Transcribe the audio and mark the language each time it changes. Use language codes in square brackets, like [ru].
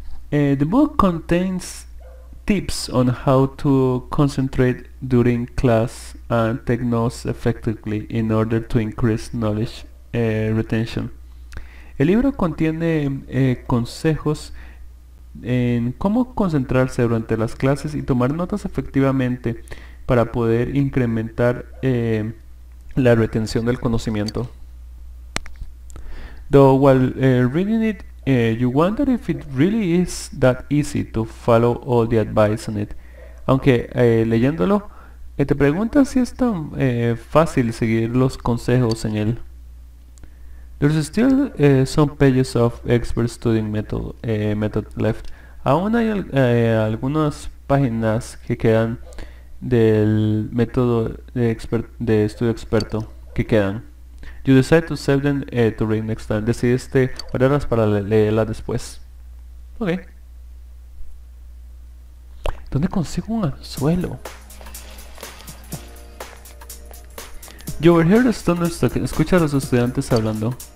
[en] The book contains tips on how to concentrate during class and take notes effectively in order to increase knowledge retention. [es] El libro contiene consejos en cómo concentrarse durante las clases y tomar notas efectivamente para poder incrementar la retención del conocimiento. [en] Though while reading it, you wonder if it really is that easy to follow all the advice on it. [es] Aunque leyéndolo, te preguntas si es tan fácil seguir los consejos en él. [en] There's still some pages of expert studying method left. [es] Aún hay algunas páginas que quedan del método de estudio experto que quedan. [en] You decide to save them to read next time. [es] Decidiste guardarlas para leerla después. Ok. ¿Dónde consigo un anzuelo? [en] You overhear the students talking. [es] Escucha a los estudiantes hablando.